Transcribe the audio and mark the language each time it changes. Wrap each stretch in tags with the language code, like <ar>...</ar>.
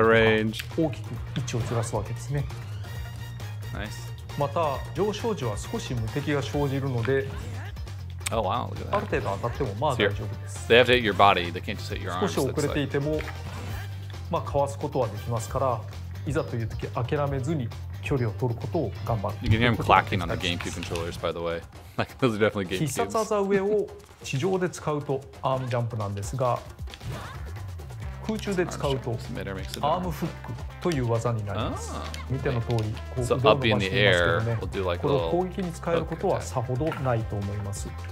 <ja>大きく位置をずらすわけですね。また上昇時は少し無敵が生じるので、</ja> <en>Oh, wow, look at that.</en> <ja>ある程度当たってもまあ大丈夫です。</ja> <en>They have to hit your body. They can't just hit your arms.</en> <ja>少し遅れていてもまあかわすことはできますから、いざという時諦めずに距離を取ることを頑張る。</ja> <en>You can hear him clacking on the GameCube controllers, by the way. Like, those are definitely GameCubes.</en> <ja>必殺技上を地上で使うとアームジャンプなんですが、空中で使うとアームフックという技になります。見ての通り、こう腕を伸ばしていますけどね、この攻撃に使えることはさほどないと思います。</ja>